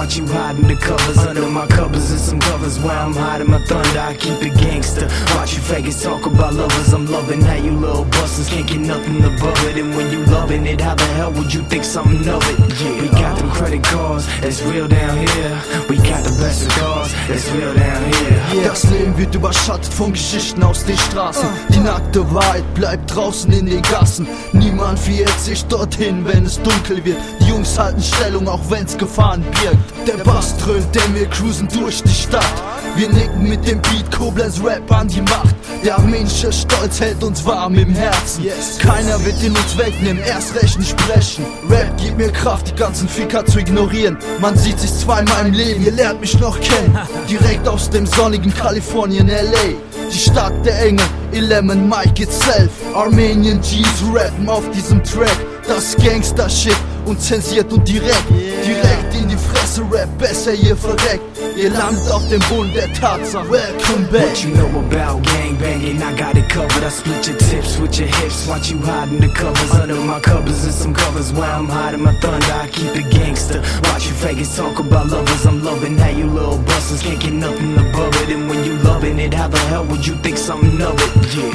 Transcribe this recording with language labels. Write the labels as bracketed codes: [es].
[en] Watch you hide in the covers. Under my covers and some covers. While I'm hiding my thunder, I keep it gangster. Watch you faggots talk about lovers. I'm loving how you little busters can't get nothing above it. And when you loving it, how the hell would you think something of it? Yeah. We got them credit cards, that's real down here. We got the best cigars, that's real down here. Yeah. [de] Das Leben wird überschattet von Geschichten aus den Straßen. Die nackte Wahrheit bleibt draußen in den Gassen. Niemand verirrt sich dorthin, wenn es dunkel wird. Die Jungs halten Stellung, auch wenn's Gefahren birgt. Der Bass dröhnt, denn wir cruisen durch die Stadt. Wir nicken mit dem Beat, Koblenz Rap an die Macht. Der armenische Stolz hält uns warm im Herzen. Keiner wird ihn uns wegnehmen, erst recht nicht brechen. Rap gibt mir Kraft, die ganzen Ficker zu ignorieren. Man sieht sich zweimal im Leben, ihr lernt mich noch kennen. Direkt aus dem sonnigen Kalifornien, L.A. Die Stadt der Engel, Eleven Mike itself. Armenian G's rappen auf diesem Track. Das Gangster-Shit, unzensiert und direkt. Direkt in die Fresse, Rap, besser ihr verreckt. Ihr landet auf dem Boden der Tatsache. [en] Welcome back. What you know about gangbanging? I got it covered. I split your tips with your hips. Watch you hide in the covers. Under my covers and some covers. While I'm hiding my thunder, I keep it gangster. Watch you faggots talk about lovers. I'm loving how you little busters can't get nothing above it. And when you loving it, how the hell would you think something of it? Yeah.